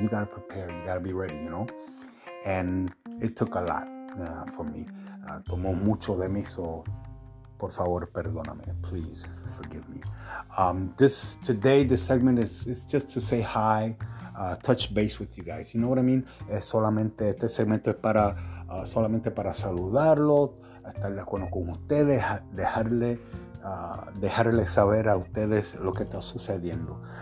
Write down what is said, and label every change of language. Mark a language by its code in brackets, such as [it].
[en] You gotta prepare, you gotta be ready, you know, and it took a lot for me. [es] Tomó mucho de mí, so por favor, perdóname. [en] Please forgive me. This segment is just to say hi, touch base with you guys. You know what I mean? [es] Es solamente este segmento es para solamente para saludarlo, estar de acuerdo con ustedes, dejarle saber a ustedes lo que está sucediendo.